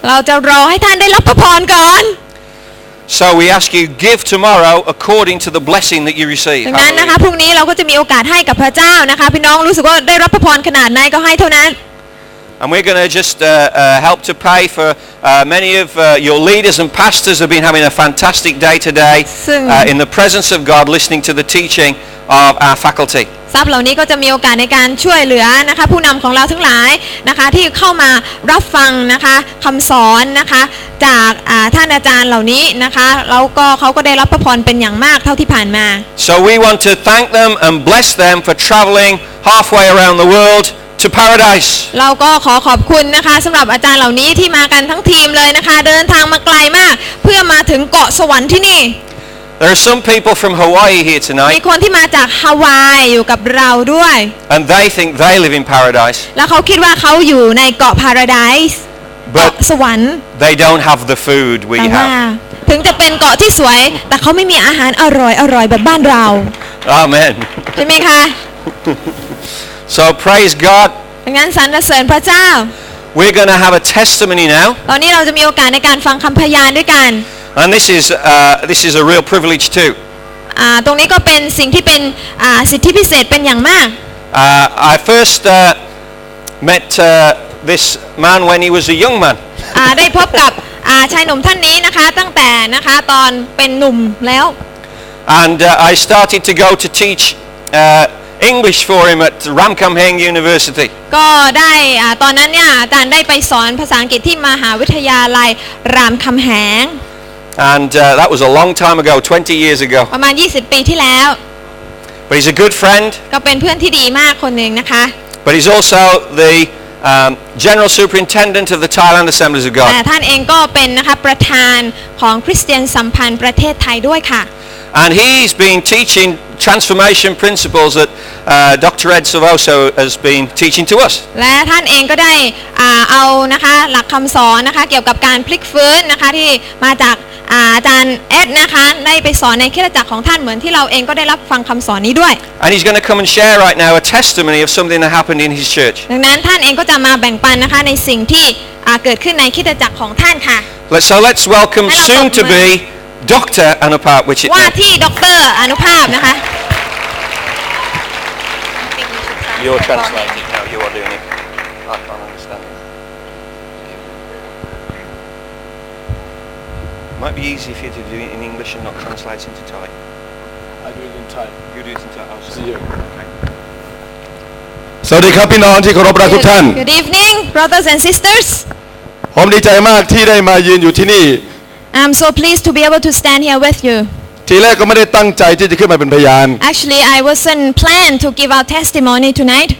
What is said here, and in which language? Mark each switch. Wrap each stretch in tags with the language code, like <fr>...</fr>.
<th>เราจะรอให้ท่านได้รับพระพรก่อน</th> <en>So we ask you give tomorrow according to the blessing that you receive.</en> <th>ดังนั้นนะคะพรุ่งนี้เราก็จะมีโอกาสให้กับพระเจ้านะคะพี่น้องรู้สึกว่าได้รับพระพรขนาดไหนก็ให้เท่านั้น</th> <en>And we're going to just help to pay for many of your leaders and pastors have been having a fantastic day today in the presence of God listening to the teaching of our faculty.</en> <th>ทราบเหล่านี้ก็จะมีโอกาสในการช่วยเหลือนะคะผู้นำของเราทั้งหลายนะคะที่เข้ามารับฟังนะคะคำสอนนะคะจากท่านอาจารย์เหล่านี้นะคะแล้วก็เขาก็ได้รับพระพรเป็นอย่างมากเท่าที่ผ่านมา</th> <en>So we want to thank them and bless them for traveling halfway around the worldTo paradise.</en> <th>เราก็ขอขอบคุณนะคะสำหรับอาจารย์เหล่านี้ที่มากันทั้งทีมเลยนะคะเดินทางมาไกลมากเพื่อมาถึงเกาะสวรรค์ที่นี่</th> <en>There are some people from Hawaii here tonight.</en> <th>มีคนที่มาจากฮาวายอยู่กับเราด้วย</th> <en>And they think they live in paradise.</en> <th>แล้วเขาคิดว่าเขาอยู่ในเกาะ paradise.</th> <en>But</en> <th>สวรรค์</th> <en>They don't have the food we have.</en> <th>ถึงจะเป็นเกาะที่สวยแต่เขาไม่มีอาหารอร่อยอร่อยแบบบ้านเรา</th> <en>Amen.</en> <th>ใช่ไหมคะ</th> <en>So praise God.</en> <th>งั้นสรรเสริญพระเจ้า</th> <en>We're going to have a testimony now.</en> <th>ตอนนี้เราจะมีโอกาสในการฟังคำพยานด้วยกัน</th> <en>And this is a real privilege too.</en> <th>ตรงนี้ก็เป็นสิ่งที่เป็นสิทธิพิเศษเป็นอย่างมาก</th> <en>I first met this man when he was a young man.</en> <th>ได้พบกับชายหนุ่มท่านนี้นะคะตั้งแต่นะคะตอนเป็นหนุ่มแล้ว</th> <en>And I started to go to teach English for him at Ramkhamhaeng University.</en> <th>ก็ได้ตอนนั้นเนี่ยอาจารย์ได้ไปสอนภาษาอังกฤษที่มหาวิทยาลัยรามคำแหง</th> <en>And that was a long time ago, 20 years ago.</en> <th>ประมาณ20ปีที่แล้ว</th> <en>But he's a good friend.</en> <th>ก็เป็นเพื่อนที่ดีมากคนนึงนะคะ</th> <en>But he's also the General Superintendent of the Thailand Assemblies of God.</en> <th>ท่านเองก็เป็นนะคะประธานของคริสเตียนสัมพันธ์ประเทศไทยด้วยค่ะ</th> <en>And he's been teaching. Transformation principles that Dr. Ed Savoso has been teaching to us.</en> <th>และท่านเองก็ได้เอานะคะหลักคำสอนนะคะเกี่ยวกับการพลิกฟื้นนะคะที่มาจากอาจารย์เอ็ดนะคะได้ไปสอนในคริสตจักรของท่านเหมือนที่เราเองก็ได้รับฟังคำสอนนี้ด้วย</th> <en>And he's going to come and share right now a testimony of something that happened in his church.</en> <th>ดังนั้นท่านเองก็จะมาแบ่งปันนะคะในสิ่งที่เกิดขึ้นในคริสตจักรของท่านค่ะ</th> <en>Let's welcome soon to beDr. Anupap, which it</en> <th>is. ว่าที่ดร. Anupap นะคะ</th> <en>You're translating it now. You are doing it. I understand. It might be easy for you to do it in English and not translate into Thai. I do it in Thai. You do it in Thai. I'll see you.</en> <th>สวัสดีครับพี่น้องที่เคารพรักทุกท่าน</th> <en>Good evening, brothers and sisters.</en> <th>ผมดีใจมากที่ได้มายืนอยู่ที่นี่</th> <en>I'm so pleased to be able to stand here with you.</en> <th>ทีแรกก็ไม่ได้ตั้งใจที่จะขึ้นมาเป็นพยาน</th> <en>Actually, I wasn't planned to give our testimony tonight.</en>